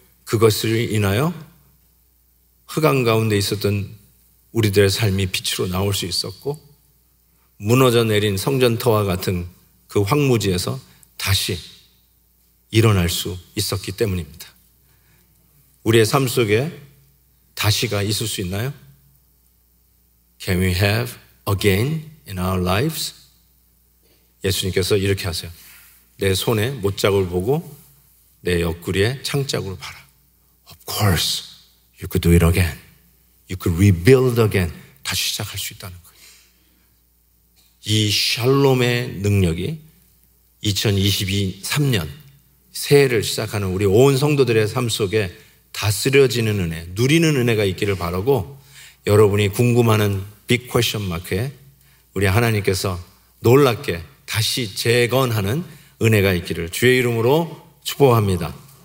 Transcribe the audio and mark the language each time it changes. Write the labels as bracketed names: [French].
[Korean] 그것을 인하여 흑암 가운데 있었던 우리들의 삶이 빛으로 나올 수 있었고 무너져 내린 성전터와 같은 그 황무지에서 다시 일어날 수 있었기 때문입니다. 우리의 삶 속에 다시가 있을 수 있나요? [English] Can we have again in our lives? [Korean] 예수님께서 이렇게 하세요. 내 손에 못자국을 보고 내 옆구리에 창자국을 봐라. [English] Of course, you could do it again. You could rebuild again. [Korean] 다시 시작할 수 있다는 거예요. 이 샬롬의 능력이 2023년 새해를 시작하는 우리 온 성도들의 삶 속에 다스려지는 은혜, 누리는 은혜가 있기를 바라고, 여러분이 궁금하는 빅 퀘션 마크에 우리 하나님께서 놀랍게 다시 재건하는 은혜가 있기를 주의 이름으로 축복합니다.